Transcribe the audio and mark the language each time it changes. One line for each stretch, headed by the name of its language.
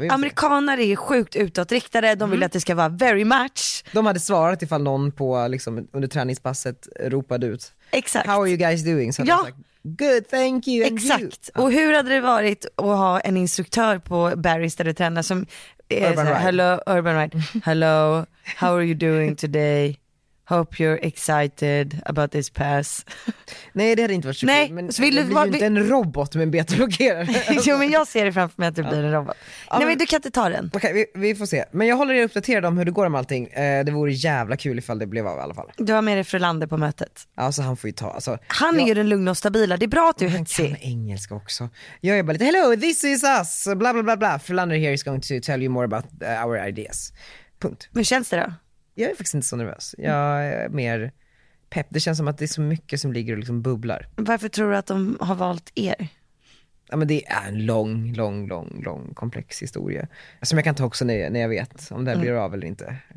Swedish: Amerikaner är sjukt utåtriktade. De vill att det ska vara very much. De hade svarat ifall någon på, liksom, under träningspasset ropade ut. Exakt.
English: How are you guys doing? Så
Swedish: ja.
English: Good, thank you.
Swedish: Exakt.
English: You.
Swedish: Och hur hade det varit att ha en instruktör på Barry's där du tränar som är Urban så här,
English: hello, Urban Ride. Hello, how are you doing today? Hope you're excited about this pass.
Swedish: Nej, det hade inte varit så nej, kul. Men så vill det du, blir ju inte en robot med en beta-blockerare. Jo, men jag ser det framför mig att det blir en robot. Ja, nej, men du kan inte ta den. Okej, vi får se. Men jag håller er uppdaterad om hur det går med allting. Det vore jävla kul ifall det blev av i alla fall. Du har med dig Frölander på mötet. Alltså, han får ju ta. Alltså, han är ju den lugna och stabila. Det är bra att du är hetsig. Han kan engelska också. Jag är bara lite,
English: hello, this is us. Bla, bla, bla, bla. Frölander here is going to tell you more about our ideas.
Swedish: Punkt. Hur känns det då? Jag är faktiskt inte så nervös. Jag är mer pepp. Det känns som att det är så mycket som ligger och liksom bubblar. Varför tror du att de har valt er? Ja, men det är en lång, lång, lång, lång komplex historia. Som jag kan ta också när jag vet om det blir av eller inte.